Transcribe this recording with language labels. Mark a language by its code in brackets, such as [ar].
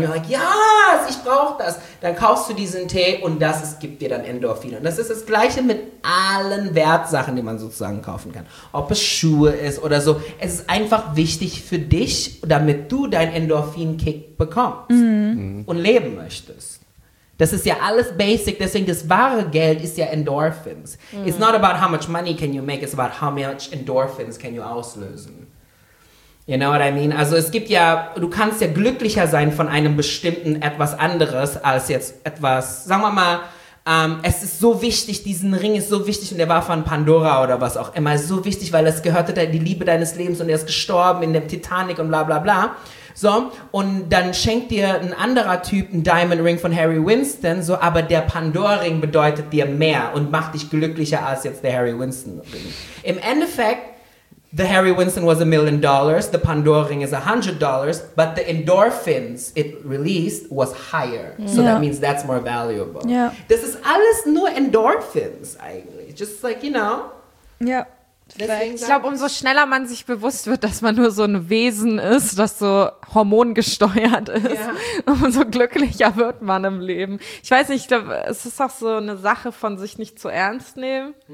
[de] Und du sagst, yes, ich brauch das. Dann kaufst du diesen Tee und das gibt dir dann Endorphine. Und das ist das Gleiche mit allen Wertsachen, die man sozusagen kaufen kann. Ob es Schuhe ist oder so. Es ist einfach wichtig für dich, damit du deinen Endorphin-Kick bekommst. Und leben möchtest. Das ist ja alles basic, deswegen das wahre Geld ist ja Endorphins. [en] It's not about how much money can you make, it's about how much Endorphins can you [de] auslösen. [en] You know what I mean? [de] Also es gibt ja, du kannst ja glücklicher sein von einem bestimmten etwas anderes als jetzt etwas, sagen wir mal, es ist so wichtig, diesen Ring ist so wichtig und der war von Pandora oder was auch immer, so wichtig, weil es gehörte dann die Liebe deines Lebens und er ist gestorben in dem Titanic und bla bla bla. So, und dann schenkt dir ein anderer Typ einen Diamond Ring von Harry Winston, so, aber der Pandora-Ring bedeutet dir mehr und macht dich glücklicher als jetzt der Harry Winston-Ring. Im Endeffekt, [en] the Harry Winston was $1 million, the Pandora-Ring is $100, but the endorphins it released was higher. So that means that's more valuable. Yeah. [de] Das ist alles nur Endorphins eigentlich. [en] Just like, you know. Yeah. [de] Deswegen, ich glaube, umso schneller man sich bewusst wird, dass man nur so ein Wesen ist, das so hormongesteuert ist, ja, umso glücklicher wird man im Leben. Ich weiß nicht, ich glaub, es ist auch so eine Sache von sich nicht zu ernst nehmen.